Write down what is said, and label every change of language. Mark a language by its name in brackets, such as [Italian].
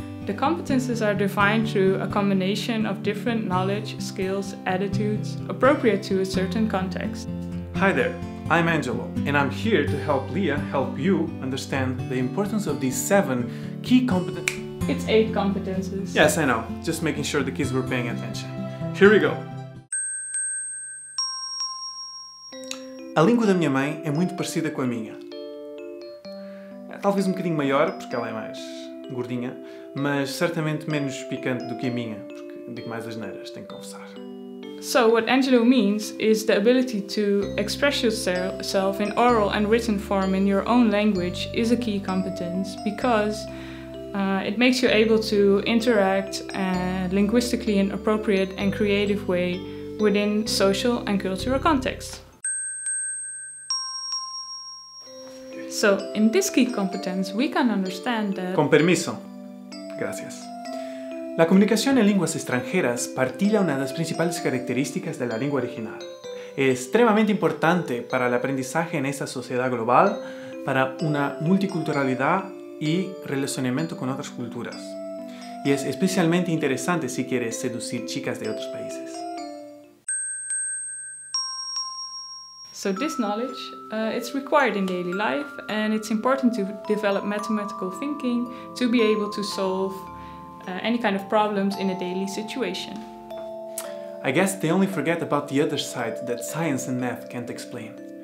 [English] The competences are defined through a combination of different knowledge, skills, attitudes appropriate to a certain context. Hi there, I'm Angelo, and I'm here to help Leah help you understand the importance of these 7 key competences. It's 8 competences. Yes, I know. Just making sure the kids were paying attention. Here we go. [Portuguese] A língua da minha mãe é muito parecida com a minha. Talvez bocadinho maior, porque ela é mais gordinha, mas certamente menos picante do que a minha, porque digo mais asneiras, tenho que confessar. [English] So, what Angelo means is the ability to express yourself in oral and written form in your own language is a key competence, because it makes you able to interact linguistically in appropriate and creative way within social and cultural contexts. So, in this key competence, we can understand that... [Spanish] Con permiso. Gracias. La comunicación en lenguas extranjeras partilha una de las principales características de la lengua original. Es extremadamente importante para el aprendizaje en esta sociedad global, para una multiculturalidad y relacionamiento con otras culturas. Y es especialmente interesante si quieres seducir chicas de otros países. [English] So this knowledge, it's required in daily life, and it's important to develop mathematical thinking to be able to solve any kind of problems in a daily situation. I guess they only forget about the other side that science and math can't explain.